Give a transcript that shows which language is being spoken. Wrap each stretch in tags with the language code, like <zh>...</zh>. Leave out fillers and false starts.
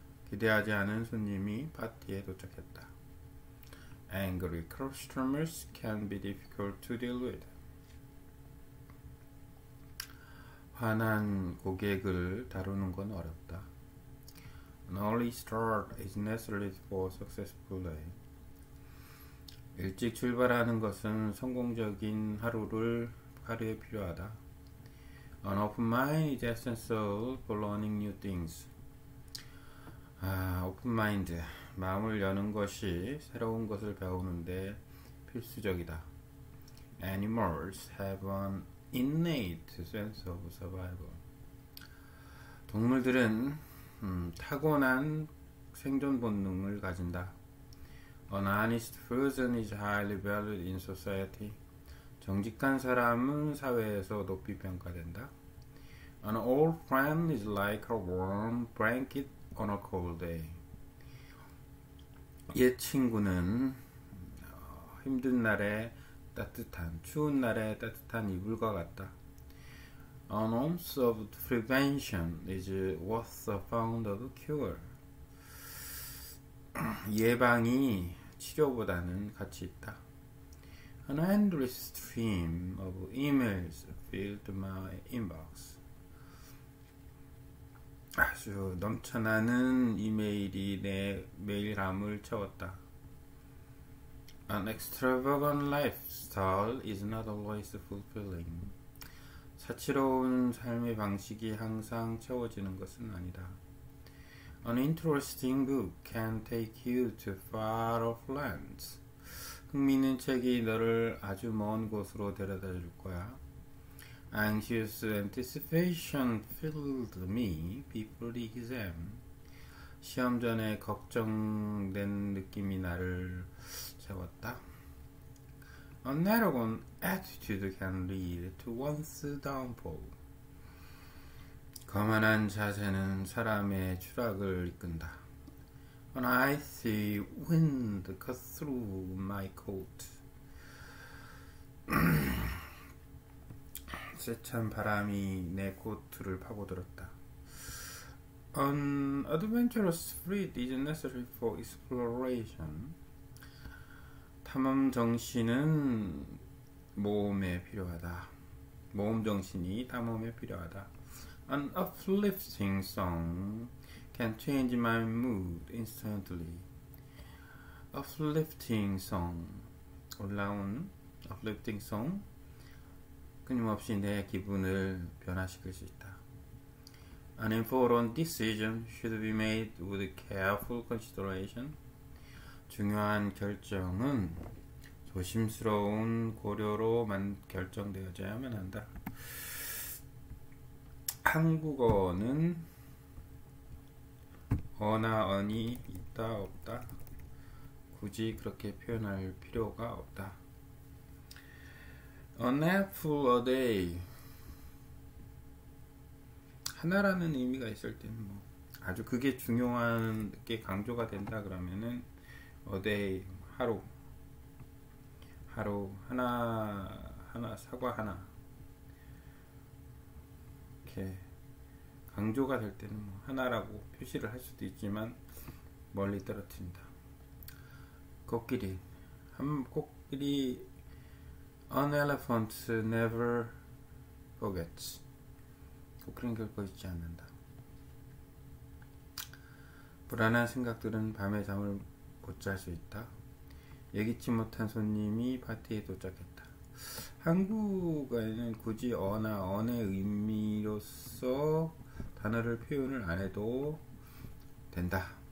<ko>기대하지 않은 손님이 파티에 도착했다.</ko> <en>Angry customers can be difficult to deal with.</en> <ko>화난 고객을 다루는 건 어렵다.</ko> <en>An early start is necessary for a successful day.</en> <ko>일찍 출발하는 것은 성공적인 하루에 필요하다.</ko> <en>An open mind is essential for learning new things.</en> <ko>오픈 마인드, 마음을 여는 것이 새로운 것을 배우는데 필수적이다.</ko> <en>Animals have an innate sense of survival.</en> <ko>동물들은 타고난 생존 본능을 가진다.</ko> <en>An honest person is highly valued in society.</en> <ko>정직한 사람은 사회에서 높이 평가된다.</ko> <en>An old friend is like a warm blanket on a cold day.</en> <ko>옛 친구는 힘든 날에 따뜻한, 추운 날에 따뜻한 이불과 같다.</ko> <en>An ounce of prevention is worth a pound of cure.</en> <ko>예방이 치료보다는 가치 있다.</ko> <en>An endless stream of emails filled my inbox.</en> <ko>아주 넘쳐나는 이메일이 내 메일함을 채웠다.</ko> <en>An extravagant lifestyle is not always fulfilling.</en> <ko>사치로운 삶의 방식이 항상 채워지는 것은 아니다.</ko> <en>An interesting book can take you to far off lands.</en> <ko>흥미있는 책이 너를 아주 먼 곳으로 데려다 줄 거야.</ko> <en>Anxious anticipation filled me before the exam.</en> <ko>시험 전에 걱정된 느낌이 나를 채웠다.</ko> <en>An arrogant attitude can lead to one's downfall.</en> <ko>거만한 자세는 사람의 추락을 이끈다.</ko> <en>An icy wind cut through my coat.</en> <ko>세찬 바람이 내 코트를 파고들었다.</ko> <en>An adventurous spirit is necessary for exploration.</en> <ko>탐험 정신은 모험에 필요하다. 모험 정신이 탐험에 필요하다.</ko> <en>An uplifting song can change my mood instantly. Uplifting song.</en> <ko>올라온</ko> <en>uplifting song.</en> <ko>끊임없이 내 기분을 변화시킬 수 있다.</ko> <en>An important decision should be made with careful consideration.</en> <ko>중요한 결정은 조심스러운 고려로만 결정되어져야만 한다. 한국어는 언어언이 있다 없다. 굳이 그렇게 표현할 필요가 없다.</ko> <en>An apple a day.</en> <ko>하나라는 의미가 있을 때는 뭐 아주 그게 중요한 게 강조가 된다 그러면은</ko> <en>a day</en> <ko>하루. 하루 하나 사과 하나. 이렇게 강조가 될 때는 뭐 하나라고 표시를 할 수도 있지만 멀리 떨어뜨린다. 코끼리 한 코끼리</ko> <en>An elephant never forgets.</en> <ko>코끼리는 결코 잊지 않는다. 불안한 생각들은 밤에 잠을 못잘수 있다. 예기치 못한 손님이 파티에 도착했다. 한국어에는 굳이 언의 의미로서 단어를 표현을 안 해도 된다.</ko>